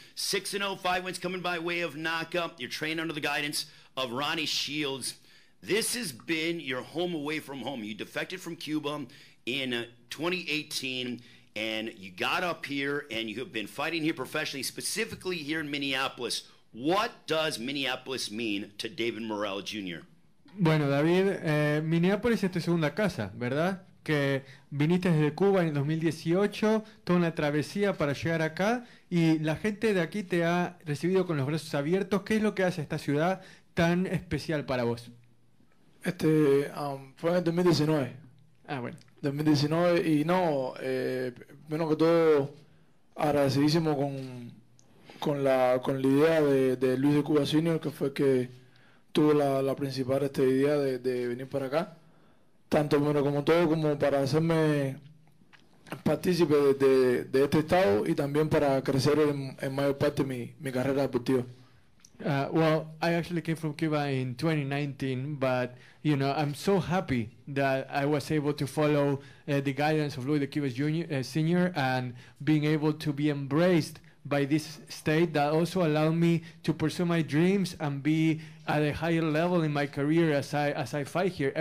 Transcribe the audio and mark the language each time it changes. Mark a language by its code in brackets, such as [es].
[en] 6-0, 5 wins coming by way of knockout. You're trained under the guidance of Ronnie Shields. This has been your home away from home. You defected from Cuba in 2018, and you got up here, and you have been fighting here professionally, specifically here in Minneapolis. What does Minneapolis mean to David Morrell Jr.? [es] Bueno, David, Minneapolis es tu segunda casa, ¿verdad? Que viniste desde Cuba en 2018, toda una travesía para llegar acá, y la gente de aquí te ha recibido con los brazos abiertos. ¿Qué es lo que hace esta ciudad tan especial para vos? Fue en 2019. Ah, bueno. 2019, y no, menos que todo agradecidísimo con la idea de Luis de Cuba Senior, que fue que tuvo la principal idea de venir para acá, tanto menos como todo, como para hacerme partícipe de este estado y también para crecer en mayor parte mi carrera deportiva. [en] Well, I actually came from Cuba in 2019, but, you know, I'm so happy that I was able to follow the guidance of Luis de Cuba Senior and being able to be embraced by this state that also allowed me to pursue my dreams and be at a higher level in my career as I fight here.